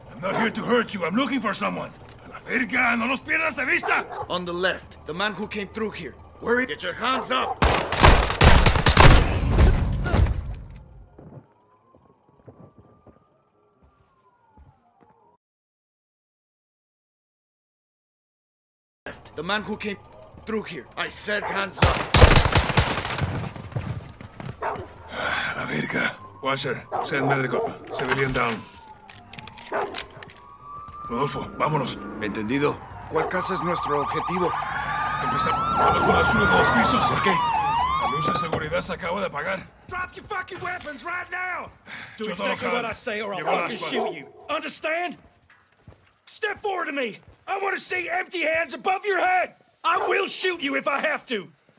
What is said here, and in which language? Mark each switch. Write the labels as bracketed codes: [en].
[en] I'm not here to hurt you, I'm looking for someone. [es] A la verga, no los pierdas de vista! [en] On the left, the man who came through here. Where is... Get your hands up! Left, the man who came... through here. I said hands up. [es] La Virga. [en] Watcher, send medico. Civilian down. [es] Rodolfo, vámonos. Entendido. ¿Cuál casa es nuestro objetivo? Empezamos. Los guardas suben dos pisos. ¿Por qué? La luz de seguridad se acaba de apagar. [en] Drop your fucking weapons right now! Do yo exactly what I say or I'll fucking shoot you. Understand? Step forward to me. I want to see empty hands above your head. I will shoot you if I have to.